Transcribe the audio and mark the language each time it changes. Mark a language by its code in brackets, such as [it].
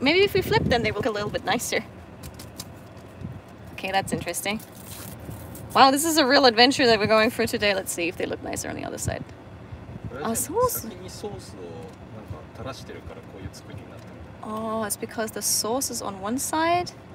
[en] Maybe if we flip then they look a little bit nicer. Okay, that's interesting. Wow, this is a real adventure that we're going for today. Let's see if they look nicer on the other side. [ja] あ、ソース? 先にソースをなんか垂らしてるからこういう作りになってる。 [en] Oh, it's because the sauce is on one side?